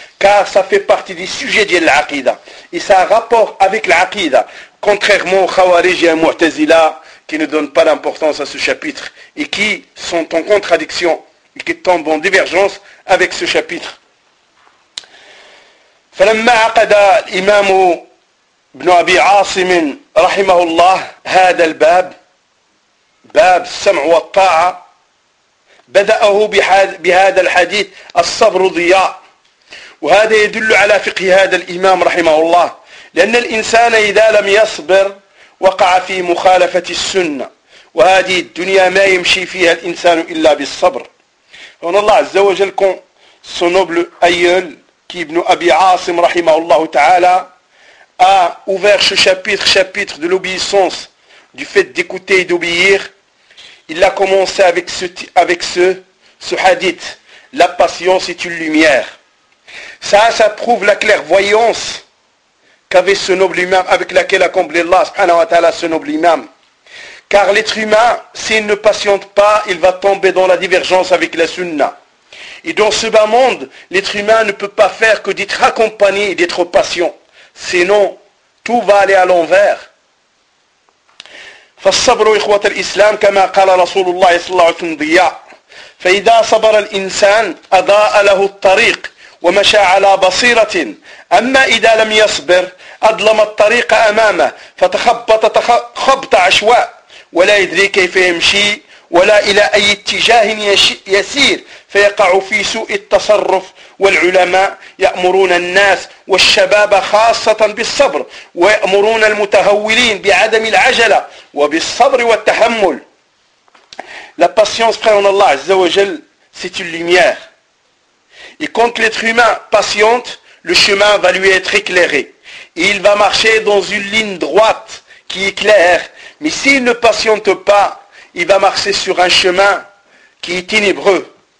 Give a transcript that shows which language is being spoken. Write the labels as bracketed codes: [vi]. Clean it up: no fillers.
[fr] Car ça fait partie des sujets de l'aqida. Et ça a rapport avec l'aqida. Contrairement aux khawarij et aux mu'tazila qui ne donnent pas d'importance à ce chapitre. Et qui sont en contradiction. Et qui tombent en divergence avec ce chapitre. [ar] فَلَمَّا عَقَدَ الْإِمَامُ بْنُ أَبِي عَاصِمٍ رَحِمَهُ اللَّهِ هَذَا الْبَابِ باب السمع والطاعة بدأه بهذا الحديث الصبر ضياء. وهذا يدل على فقه هذا الإمام رحمه الله، لأن الإنسان إذا لم يصبر وقع في مخالفة السنة وهذه الدنيا ما يمشي فيها الإنسان إلا بالصبر. هنا الله عز وجل كون سنوبل أيول كي ابن أبي عاصم رحمه الله تعالى [fr] a ouvert ce chapitre, chapitre de l'obéissance, du fait d'écouter et d'obéir. Il a commencé avec ce hadith, la patience est une lumière. Ça prouve la clairvoyance qu'avait ce noble imam, avec laquelle a comblé Allah subhanahu wa ta'ala ce noble imam. Car l'être humain, s'il ne patiente pas, il va tomber dans la divergence avec la sunna. Et dans ce bas monde, l'être humain ne peut pas faire que d'être accompagné et d'être patient. Sinon, tout va aller à l'envers. [ar] فالصبر إخوة الإسلام كما قال رسول الله صلى الله عليه وسلم ضياء فإذا صبر الإنسان أضاء له الطريق ومشى على بصيرة أما إذا لم يصبر أظلم الطريق أمامه فتخبط خبط عشواء ولا يدري كيف يمشي ولا إلى أي اتجاه يسير فيقع في سوء التصرف والعلماء يأمرون الناس والشباب خاصة بالصبر ويأمرون المتهولين بعدم العجلة وبالصبر والتحمل. [fr] La patience, frère en Allah, Azza wa Jal, c'est une lumière. Et quand l'être humain patiente, le chemin va lui être éclairé. Et il va marcher dans une ligne droite qui est claire. Mais s'il ne patiente pas, il va marcher sur un chemin qui est ténébreux.